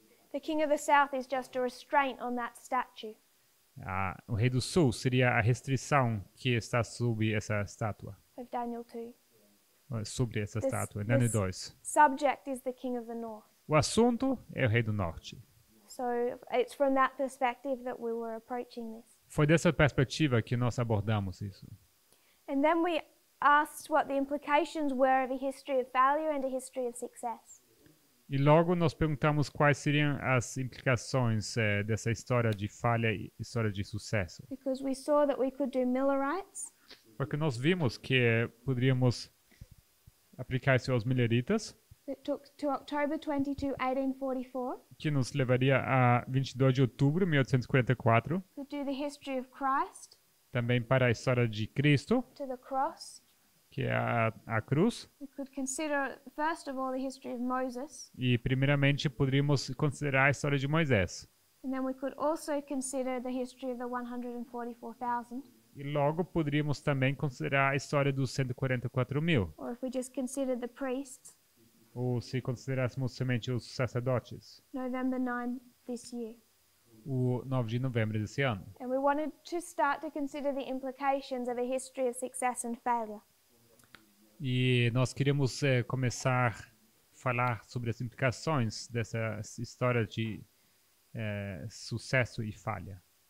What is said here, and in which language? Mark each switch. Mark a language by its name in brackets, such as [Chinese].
[English] The king of the south is just a restraint on that statue. [Portuguese] O rei do sul seria a restrição que está sob essa estátua. [English] Of Daniel 2. [Portuguese] Sobre essa estátua, Daniel 2. [English] Subject is the king of the north. [Portuguese] O assunto é o rei do norte. [English] So it's from that perspective that we were approaching this. [Portuguese] Foi dessa perspectiva que nós abordamos isso. [English] And then we asked what the implications were of a history of failure and a history of success. [Portuguese] E logo nós perguntamos quais seriam as implicações dessa história de falha e história de sucesso. [English] Because we saw that we could do Millerites. [Portuguese] Porque nós vimos que poderíamos aplicar isso aos Milleritas. [English] It took to October 22, 1844. [Portuguese] Que nos levaria a 22 de outubro de 1844. [English] To do the history of Christ. [Portuguese] Também para a história de Cristo. [English] To the cross. [Portuguese] Que é a cruz. [English] We could consider, first of all, the history of Moses. [Portuguese] E primeiramente poderíamos considerar a história de Moisés. [English] And then we could also consider the history of the 144,000. [Portuguese] E logo poderíamos também considerar a história dos 144,000. [English] Or if we just consider the priests. [Portuguese] Ou se considerássemos somente os sacerdotes. [English] November 9 this year. [Portuguese] O 9 de novembro desse ano. [English] And we wanted to start to consider the implications of a history of success and failure. [Portuguese] E nós queríamos começar a falar sobre as implicações dessa história de sucesso e falha.